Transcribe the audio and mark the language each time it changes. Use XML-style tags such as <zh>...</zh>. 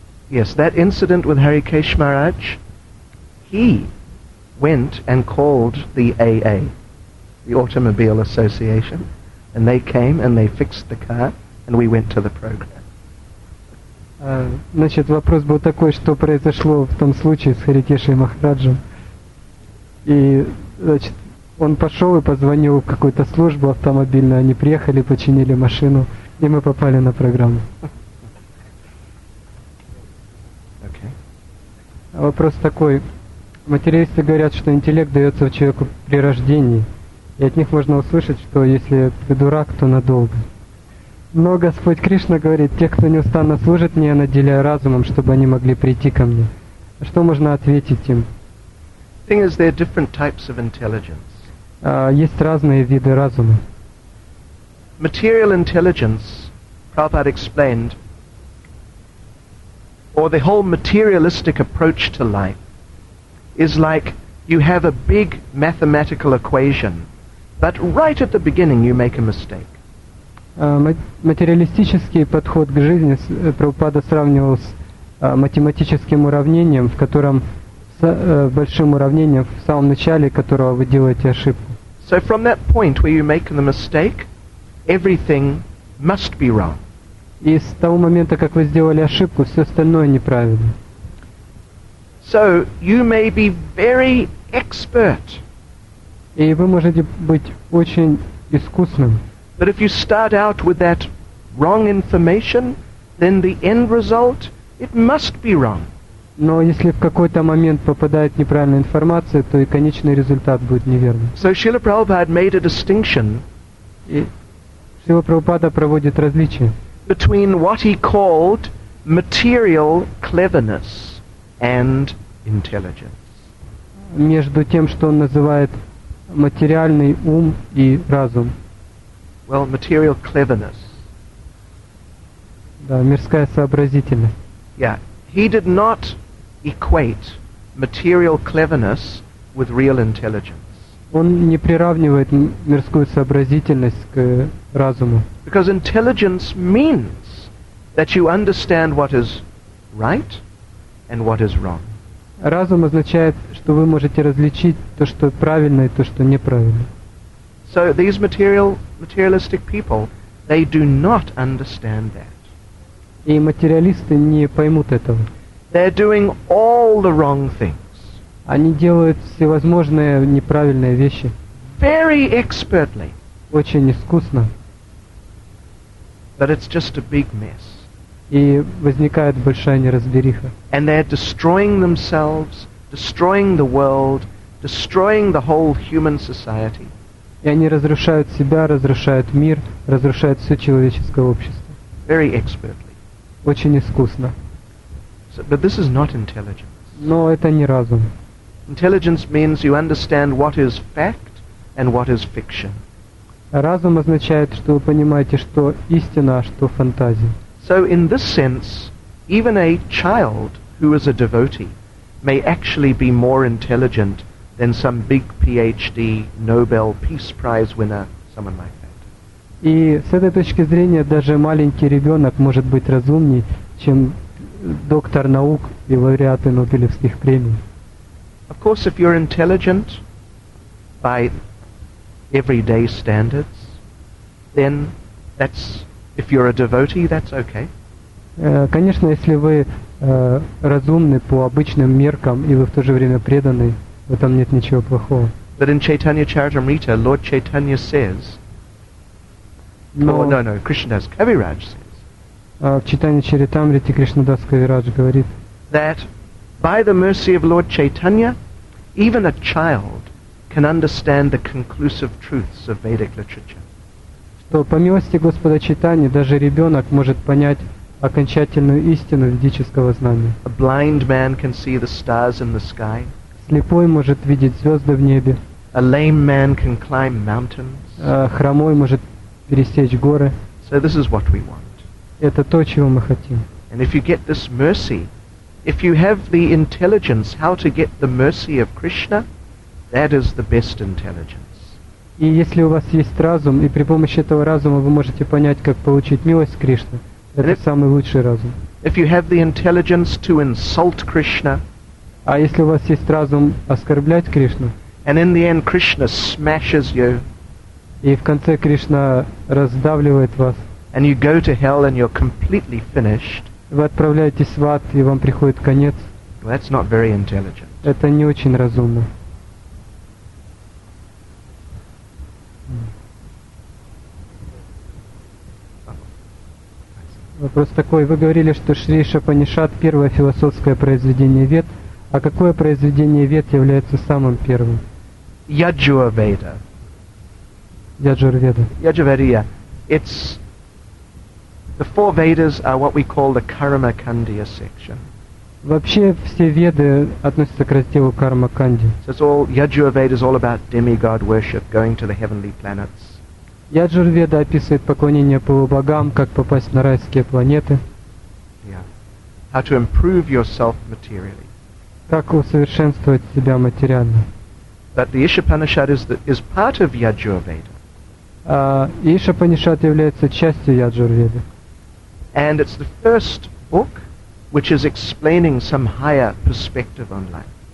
<en>Yes, that incident with Hari Kesh Maharaj, he went and called the AA, the Automobile Association, and they came and they fixed the car, and we went to the program.</en> <ru>Значит, вопрос был такой, что произошло в том случае с Хари Кешей Махараджем. И, значит, он пошел и позвонил в какую-то службу автомобильную, они приехали, починили машину, и мы попали на программу.</ru> <en>Okay.</en> <ru>Вопрос такой. Материалисты говорят, что интеллект дается человеку при рождении, и от них можно услышать, что если ты дурак, то надолго. Но Господь Кришна говорит, те, кто неустанно служит мне, я наделяю разумом, чтобы они могли прийти ко мне. Что можно ответить им?</ru> <en>Thing is, there are different types of intelligence.</en> <ru>Есть разные виды разума.</ru> <en>Material intelligence, Prabhupada explained, or the whole materialistic approach to life, is like you have a big mathematical equation, but right at the beginning you make a mistake.</en> <ru>Материалистический подход к жизни Прабхупада сравнивал с математическим уравнением, в котором большим уравнением, в самом начале которого вы делаете ошибку.</ru> <en>So from that point where you make the mistake, everything must be wrong.</en> <ru>И с того момента, как вы сделали ошибку, все остальное неправильно.</ru> <en>So you may be very expert.</en> <ru>И вы можете быть очень искусным.</ru> <en>But if you start out with that wrong information, then the end result, it must be wrong.</en> <ru>Но если в какой-то момент попадает неправильная информация, то и конечный результат будет неверным.</ru> <en>So Srila Prabhupada made a distinction.</en> <ru>Srila Prabhupada проводит различие</ru> <en>between what he called material cleverness and intelligence.</en> <ru>Между тем, что он называет материальный ум и разум.</ru> <en>Well, material cleverness.</en> <ru>Да, мирская сообразительность.</ru> <en>Yeah, he did not equate material cleverness with real intelligence.</en> <ru>Он не приравнивает мирскую сообразительность к разуму.</ru> <en>Because intelligence means that you understand what is right and what is wrong.</en> <ru>Разум означает, что вы можете различить то, что правильно, и то, что неправильно.</ru> <en>So these materialistic people, they do not understand that.</en> <ru>И материалисты не поймут этого.</ru> <en>They're doing all the wrong things.</en> <ru>Они делают всевозможные неправильные вещи.</ru> <en>Very expertly.</en> <ru>Очень искусно.</ru> <en>But it's just a big mess.</en> <ru>И возникает большая неразбериха.</ru> <en>And they're destroying themselves, destroying the world, destroying the whole human society.</en> <ru>И они разрушают себя, разрушают мир, разрушают все человеческое общество.</ru> <en>Very expertly.</en> <ru>Очень искусно.</ru> <en>So, but this is not intelligence.</en> <ru>Но это не разум.</ru> <en>Intelligence means you understand what is fact and what is fiction.</en> <ru>Разум означает, что вы понимаете, что истина, а что фантазия.</ru> <en>So in this sense, even a child who is a devotee may actually be more intelligent than some big PhD, Nobel Peace Prize winner, someone like that.</en> <ru>И с этой точки зрения даже маленький ребенок может быть разумнее, чем доктор наук и лауреаты Нобелевских премий.</ru> <en>Of course, if you're intelligent by everyday standards, then that's, if you're a devotee, that's okay.</en> <ru>Конечно, если вы разумны по обычным меркам и вы в то же время преданы, в этом нет ничего плохого.</ru> <en>But in Chaitanya Charitamrita, Lord Chaitanya says, Krishnadas Kaviraj says,</en> <ru>в Чайтанья Чаритамрите Кришнадас Кавирадж говорит,</ru> <en>that by the mercy of Lord Chaitanya, even a child can understand the conclusive truths of Vedic literature.</en> <ru>Что по милости Господа Чайтаньи даже ребенок может понять окончательную истину ведического знания.</ru> <en>A blind man can see the stars in the sky.</en> <ru>Слепой может видеть звезды в небе.</ru> <en>A lame man can climb mountains.</en> <ru>Хромой может пересечь горы.</ru> <en>So this is what we want.</en> <ru>Это то, чего мы хотим.</ru> <en>And if you get this mercy, if you have the intelligence how to get the mercy of Krishna, that is the best intelligence.</en> <ru>И если у вас есть разум, и при помощи этого разума вы можете понять, как получить милость Кришны, это самый лучший разум.</ru> <en>If you have the intelligence to insult Krishna,</en> <ru>а если у вас есть разум оскорблять Кришну,</ru> <en>and in the end Krishna smashes you, и в конце Кришна раздавливает вас, and you go to hell and you're completely finished,</en> <ru>вы отправляетесь в ад, и вам приходит конец,</ru> <en>well, that's not very intelligent.</en> <ru>Это не очень разумно. Вопрос такой. Вы говорили, что Шри Шапанишат — первое философское произведение Вед. А какое произведение Вед является самым первым? Яджурведа. Яджурведа. Яджурведа, yeah.</ru> <en>It's the four Vedas are what we call the Karma Kandya section.</en> <ru>Вообще все Веды относятся к разделу Карма Канди.</ru> <en>So it's all, Яджурведа is all about demigod worship, going to the heavenly planets.</en> <ru>Яджурведа описывает поклонение полубогам, как попасть на райские планеты.</ru> <en>Yeah. How to improve yourself materially.</en> <ru>Как усовершенствовать себя материально.</ru> <en>But the Ishapanishad is part of Yajurveda.</en> <ru>Ишапанишад является частью Яджурведы.</ru> <en>And it's the first book which is explaining some higher perspective on life.</en>